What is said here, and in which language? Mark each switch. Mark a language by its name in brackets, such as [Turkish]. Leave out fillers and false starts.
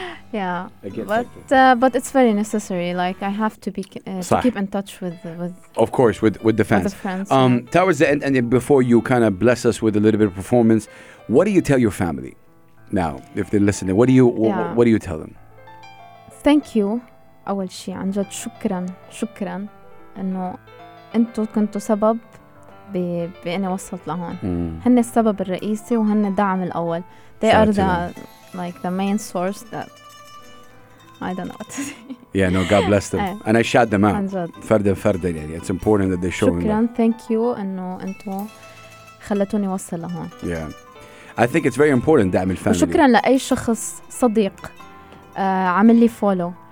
[English] Yeah, but it's very necessary. Like, I have to be to keep in touch with of course with the fans. Towards the end, and before you kind of bless us with a little bit of performance, what do you tell your family now if they're listening? What do you tell them? Thank you. [Arabic] أول شيء عن جد شكرًا إنه أنتوا كنتوا سبب بإني وصلت لهون. هن السبب الرئيسي وهن الدعم الأول. [English] They are the main source that I don't know what to say. Yeah, no, God bless them. And I shout them out. [Arabic] فردا يعني. [English] It's important that they show them. [Arabic] شكرًا, [English] thank you, [Arabic] إنه أنتوا خلتوني وصل لهون. [English] Yeah, I think it's very important [Arabic] دعم الفاميلي. وشكرًا لأي شخص صديق عمل لي فولو.